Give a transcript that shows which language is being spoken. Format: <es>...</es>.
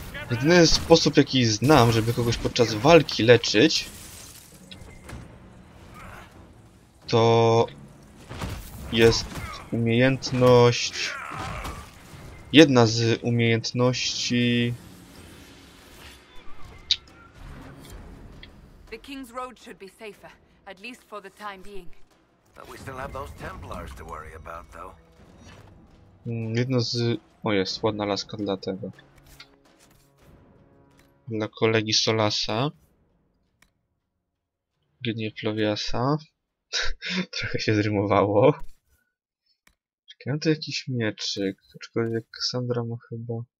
<pl>Jedyny sposób, jaki znam, żeby kogoś podczas walki leczyć, to jest umiejętność, jedna z umiejętności.</pl> <en>The King's Road should be safer, at least for the time being. We still have those Templars to worry about, though.</en> <pl>Jedno z... O, jest ładna laska dla tego. Dla kolegi Solasa. Gniew Floviasa. Trochę się zrymowało. Czekaj, mam tu jakiś mieczyk. Aczkolwiek Sandra ma chyba...</pl>